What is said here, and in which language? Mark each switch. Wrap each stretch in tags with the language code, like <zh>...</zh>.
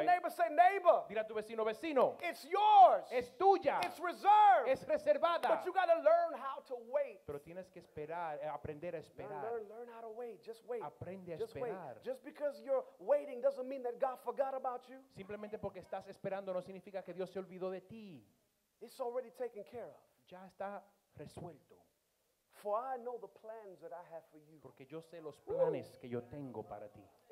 <es>hoy.</es> <en>Neighbor, say neighbor.</en> <es>Dile a tu vecino, vecino.</es> <en>It's yours.</en> <es>Es tuya.</es> <en>It's reserved.</en> <es>Es reservada.</es> <en>But you got to learn how to wait.</en> <es>Pero tienes que esperar, aprender a esperar.</es> <en>Learn how to wait. Just wait.</en> <es>Aprende</es> <en>Just</en> <es>a esperar.</es> <en>Wait. Just because you're waiting doesn't mean that God forgot about you.</en> <es>Simplemente porque estás esperando no significa que Dios se olvidó de ti.</es> <en>It's already taken care of.</en> <es>Ya está resuelto.</es> <en>For I know the plans that I have for you.</en> <es>Porque yo sé los planes Ooh. Que yo tengo para ti.</es>